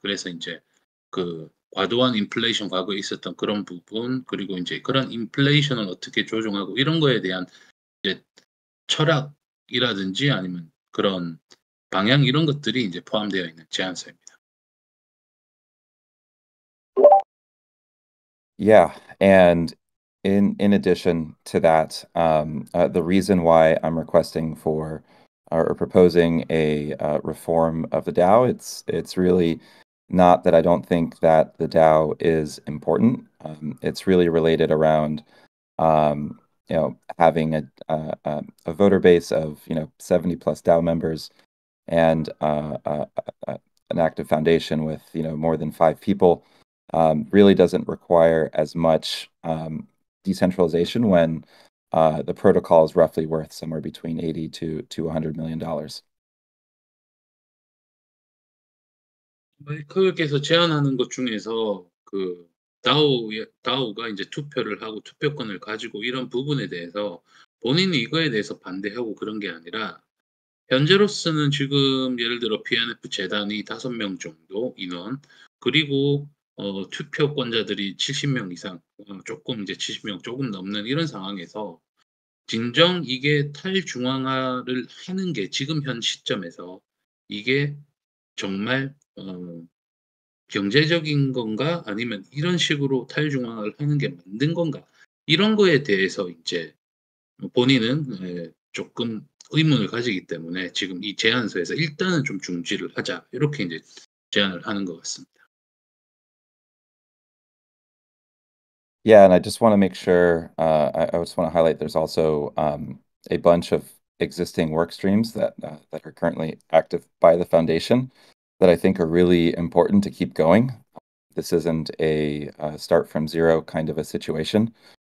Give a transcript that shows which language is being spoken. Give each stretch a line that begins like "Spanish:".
Korean: 그래서 이제 그 과도한 인플레이션 과거에 있었던 그런 부분 그리고 이제 그런 인플레이션을 어떻게 조정하고 이런 거에 대한 이제 철학이라든지 아니면 그런 방향 이런 것들이 이제 포함되어 있는 제안서입니다.
English: Yeah, and in addition to that, the reason why I'm requesting for or proposing a reform of the DAO, it's really not that I don't think that the DAO is important. It's really related around having a voter base of 70 plus DAO members and an active foundation with more than five people. Really doesn't require as much decentralization when the protocol is roughly worth somewhere between $80 to $100 million.
Korean: 마이클께서 제안하는 것 중에서 그 DAO가 이제 투표를 하고 투표권을 가지고 이런 부분에 대해서 본인이 이거에 대해서 반대하고 그런 게 아니라 현재로서는 지금 예를 들어 PNF 재단이 5명 정도 인원 그리고 투표권자들이 70명 이상, 조금 이제 70명 조금 넘는 이런 상황에서 진정 이게 탈중앙화를 하는 게 지금 현 시점에서 이게 정말 경제적인 건가 아니면 이런 식으로 탈중앙화를 하는 게 맞는 건가 이런 거에 대해서 이제 본인은 조금 의문을 가지기 때문에 지금 이 제안서에서 일단은 좀 중지를 하자 이렇게 이제 제안을 하는 것 같습니다.
English: Yeah, and I just want to make sure, I just want to highlight there's also a bunch of existing work streams that that are currently active by the foundation that I think are really important to keep going. This isn't a start from zero kind of a situation.